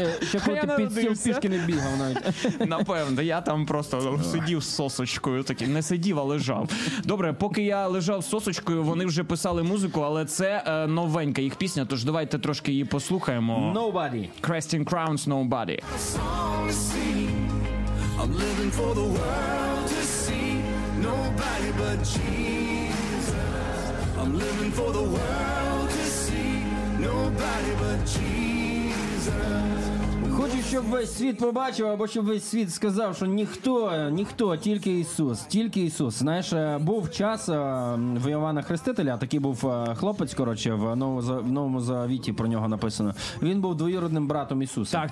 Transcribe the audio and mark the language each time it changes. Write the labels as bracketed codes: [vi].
[uk] Ще коли ти під сім пішки не бігав навіть. Напевно, я там просто сидів з сосочкою, такий, не сидів, а лежав. Добре, поки я лежав з сосочкою, вони вже писали музику, але це новенька їх пісня, тож давайте трошки її послухаємо. [en] Nobody. Casting Crowns, Nobody. I'm living for the world to see. Nobody but Jesus. I'm living for the world to see. Nobody but Jesus. [uk] Хочу, щоб весь світ побачив, або щоб весь світ сказав, що ніхто, тільки Ісус. Знаєш, був час в Івана Хрестителя, такий був хлопець, коротше, в Новому Завіті про нього написано. Він був двоюродним братом Ісуса.